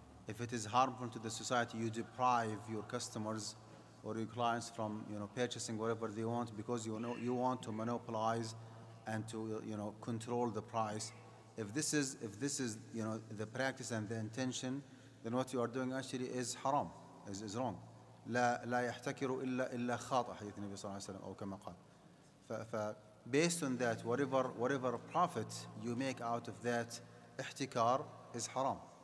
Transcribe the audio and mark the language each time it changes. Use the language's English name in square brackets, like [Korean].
[English] If it is harmful to the society, you deprive your customers or your clients from, you know, purchasing whatever they want because you want to monopolize and to, you know, control the price. If this is, you know, the practice and the intention, then what you are doing actually is haram, is wrong. [Arabic] لا يحتكر إلا خاطئ حديث النبي صلى الله عليه وسلم أو كما قال. [English] Based on that, whatever profit you make out of that ihtikar is haram.